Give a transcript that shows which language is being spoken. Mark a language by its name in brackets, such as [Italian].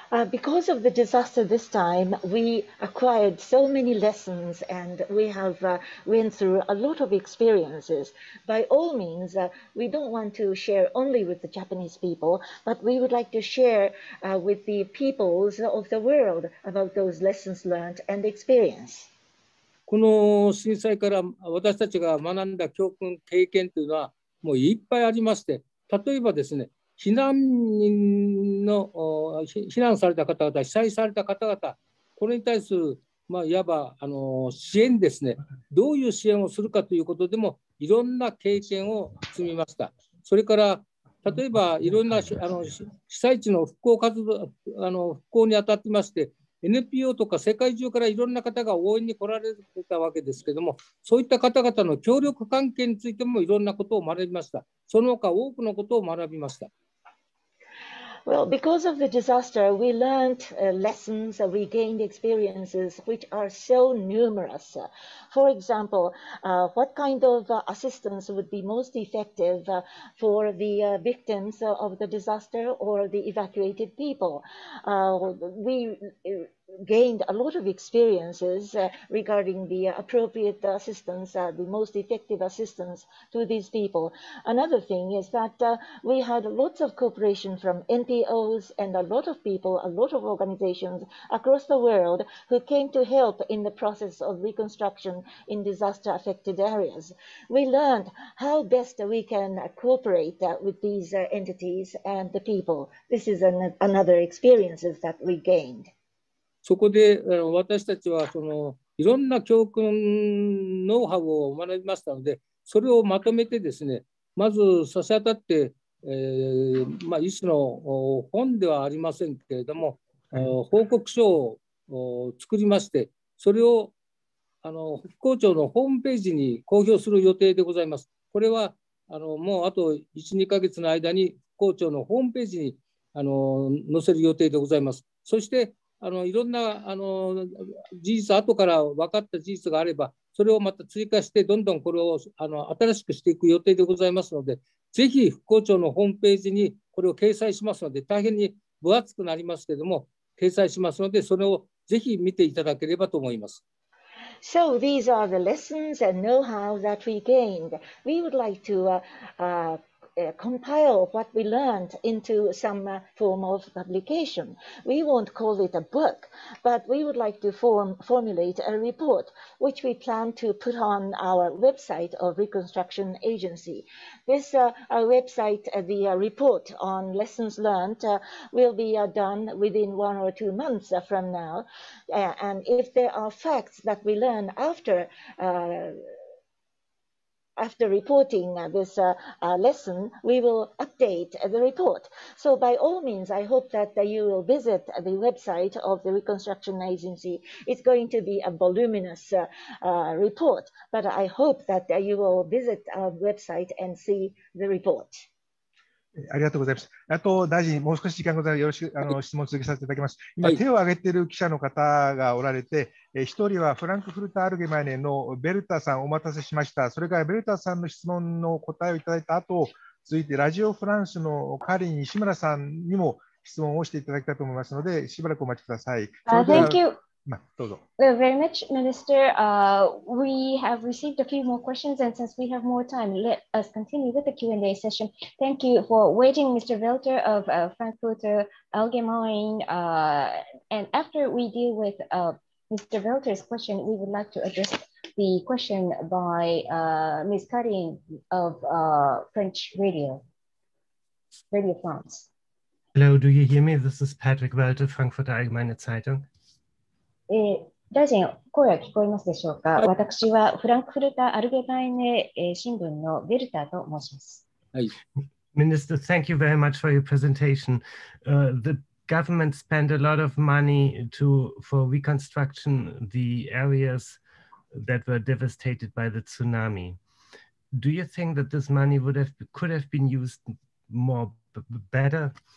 [English] Because of the disaster this time, we acquired so many lessons and we have went through a lot of experiences. By all means, we don't want to share only with the Japanese people, but we would like to share with the peoples of the world about those lessons learned and experience. [Japanese] この震災から私たちが学んだ教訓、経験というのはもういっぱいありまして、例えばですね、避難人の避難された方々、被災された方々、これに対する、まあ、いわば支援ですね、どういう支援をするかということでも、いろんな経験を積みました。それから、例えばいろんな被災地の復興活動、復興にあたってまして、NPO とか世界中からいろんな方が応援に来られてたわけですけども、そういった方々の協力関係についてもいろんなことを学びました。その他多くのことを学びました。 [English] Well, because of the disaster, we learned lessons, we gained experiences which are so numerous. For example, what kind of assistance would be most effective for the victims of the disaster or the evacuated people? We gained a lot of experiences regarding the appropriate assistance, the most effective assistance to these people. Another thing is that we had lots of cooperation from NPOs and a lot of people, a lot of organizations across the world who came to help in the process of reconstruction in disaster-affected areas. We learned how best we can cooperate with these entities and the people. This is another experience that we gained. [Japanese] そこで私たちはそのいろんな教訓ノウハウを学びましたのでそれをまとめてですねまず差し当たって、まあ、一種の本ではありませんけれども、報告書を作りましてそれを復興庁のホームページに公表する予定でございます。これはもうあと 1,2 ヶ月の間に復興庁のホームページに載せる予定でございます。そしていろんな事実、後から分かった事実があれば、それをまた追加して、どんどんこれを新しくしていく予定でございますので、ぜひ復興庁のホームページにこれを掲載しますので、大変に分厚くなりますけれども、掲載しますので、それをぜひ見ていただければと思います。 [English] So these are the lessons and know-how that we gained. We would like to compile what we learned into some form of publication. We won't call it a book, but we would like to formulate a report, which we plan to put on our website of Reconstruction Agency. This website, the report on lessons learned, will be done within 1 or 2 months from now. And if there are facts that we learn after reporting this lesson, we will update the report. So by all means, I hope that you will visit the website of the Reconstruction Agency. It's going to be a voluminous report, but I hope that you will visit our website and see the report. [Japanese] ありがとうございます。あと大臣、もう少し時間ございます。よろしく質問を続けさせていただきます。今、はい、手を挙げている記者の方がおられて、一人はフランクフルトアルゲマイネのベルタさん、お待たせしました。それからベルタさんの質問の答えをいただいた後、続いてラジオフランスのカリン石村さんにも質問をしていただきたいと思いますので、しばらくお待ちください。 [English] Thank you. Well, very much, Minister. We have received a few more questions, and since we have more time, let us continue with the Q&A session. Thank you for waiting, Mr. Welter of Frankfurter Allgemein. And after we deal with Mr. Welter's question, we would like to address the question by Ms. Karin of French Radio, Radio France. Hello, do you hear me? This is Patrick Welter, Frankfurter Allgemeine Zeitung. [Japanese] 大臣、声は聞こえますでしょうか、はい、私はフランクフルターアルゲマイネ新聞のベルターと申します。はい。 [English] Minister, thank you very much for your presentation.、The government spent a lot of money to, for reconstruction the areas that were devastated by the tsunami. Do you think that this money would have, could have been used more better?